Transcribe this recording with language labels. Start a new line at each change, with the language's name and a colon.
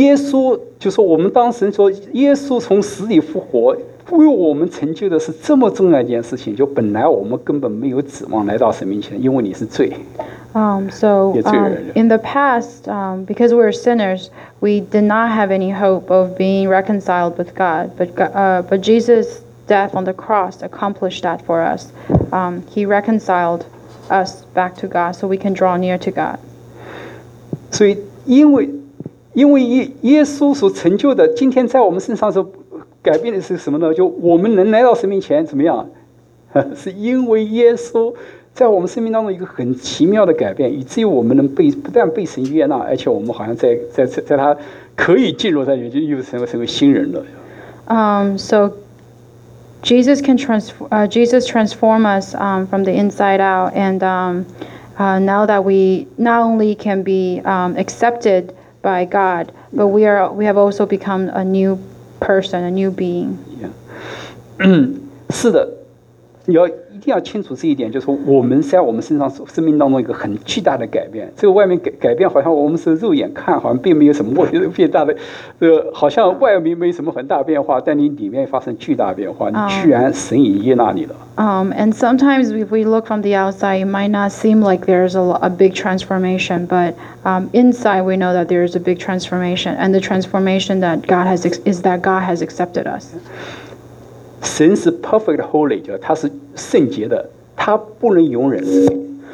Chinese: 耶稣就是我们当时说，耶稣从死里复活，为我们成就的是这么重要一件事情。就本来我们根本没有指望来到神面前，因为你是罪。
English: In the past, because we're sinners, we did not have any hope of being reconciled with God. But Jesus' death on the cross accomplished that for us. He reconciled us back to God, so we can draw near to God.
Chinese: 所以因为耶稣所成就的，今天在我们身上所改变的是什么呢？就我们能来到神面前怎么样？是因为耶稣。在我们生命当中一个很奇妙的改变，以至于我们能被不但被神悦纳，而且我们好像在他可以进入他里面，就又成为新人了。
English: So Jesus can Jesus transform us from the inside out, and now that we not only can be accepted by God, but we have also become a new person, a new being.
Chinese: Yeah. 是的。一定要清楚这一点，就是我们在我们身上生命当中一个很巨大的改变。这个外面改变好像我们是肉眼看，好像并没有什么变大的，好像外面没什么很大变化，但你里面发生巨大变化，你居然神已悦纳你了。
English: And sometimes if we look from the outside, it might not seem like there's a big transformation, but inside we know that there is a big transformation, and the transformation that God has is that God has accepted us.
Chinese: 神是
English: perfect holy，
Chinese: 就他是圣洁的，他不能容忍罪。